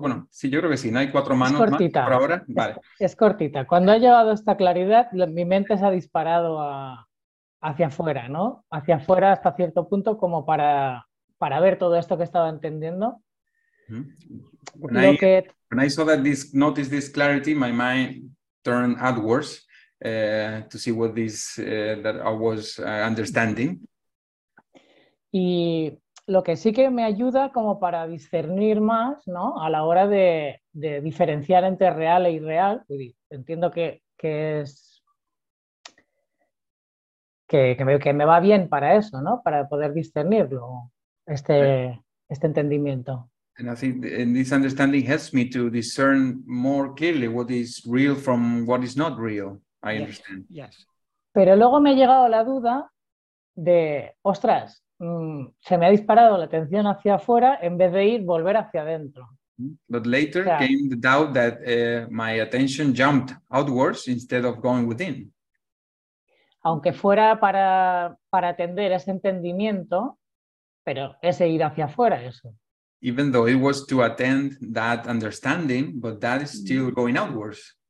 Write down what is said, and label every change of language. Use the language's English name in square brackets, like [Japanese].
[Spanish] Bueno, sí, yo creo que sí, no hay cuatro manos. Es cortita. Más por ahora. Vale. Es cortita. Cuando ha llegado esta claridad, mi mente se ha disparado hacia afuera, ¿no? Hacia afuera hasta cierto punto, como para ver todo esto que estaba entendiendo. [English] When I saw that this noticed this clarity, my mind turned outwards. To see what this that I was understanding. [Spanish] Y lo que sí que me ayuda como para discernir más, ¿no? A la hora de diferenciar entre real e irreal. Entiendo que me va bien para eso, ¿no? Para poder discernirlo este entendimiento. [English] And I think this understanding helps me to discern more clearly what is real from what is not real. I understand. Yes. [Spanish] Pero luego me ha llegado la duda de, ostras, se me ha disparado la atención hacia afuera en vez de ir volver hacia adentro. [English] But later came the doubt that my attention jumped outwards instead of going within. [Spanish] Aunque fuera para atender ese entendimiento, pero ese ir hacia afuera, eso. [English] Even though it was to attend that understanding, but that is still going outwards.